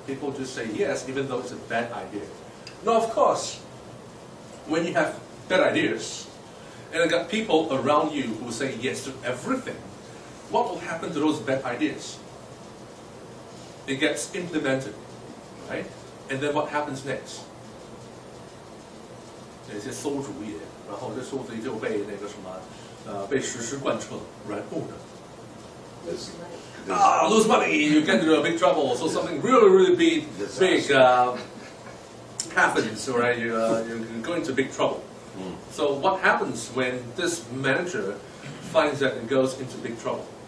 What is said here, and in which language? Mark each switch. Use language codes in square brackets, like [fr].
[en] People just say yes, even though it's a bad idea. Now, of course, when you have bad ideas, and I got people around you who say yes to everything, what will happen to those bad ideas? It gets implemented, right? And then what happens next? [zh] 那些馊主意，然后这馊主意就被那个什么，被实施贯彻软固着。 [en] Lose money. Lose money. You get into a big trouble. So something really, really big, big happens, right? You're going to big trouble. So what happens when this manager finds that and goes into big trouble?